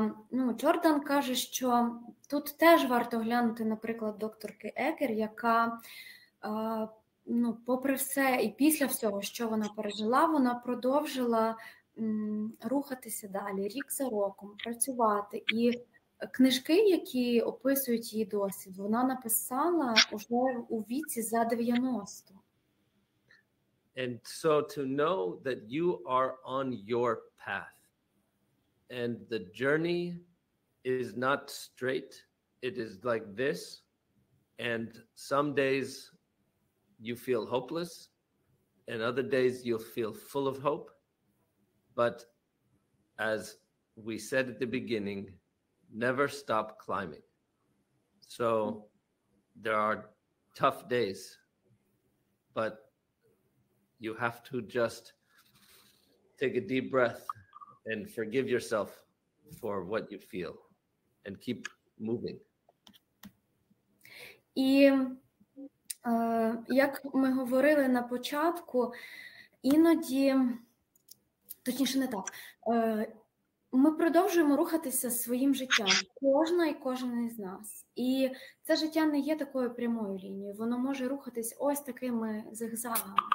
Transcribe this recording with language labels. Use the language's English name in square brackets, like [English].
[Ukrainian] Ну, Джордан каже, що тут теж варто глянути, наприклад, докторки Егер, яка ну, попри все і після всього, що вона пережила, вона продовжила рухатися далі, рік за роком, працювати. І книжки, які описують її досвід, вона написала уже у віці за 90. [English] And so to know that you are on your path, and the journey is not straight, it is like this, and some days you feel hopeless, and other days you'll feel full of hope. But as we said at the beginning, never stop climbing. So there are tough days, but You have to just take a deep breath and forgive yourself for what you feel and keep moving. [Ukrainian] І як ми говорили на початку, іноді, точніше не так, ми продовжуємо рухатися своїм життям, кожна і кожен із нас. І це життя не є такою прямою лінією, воно може рухатись ось такими зигзагами.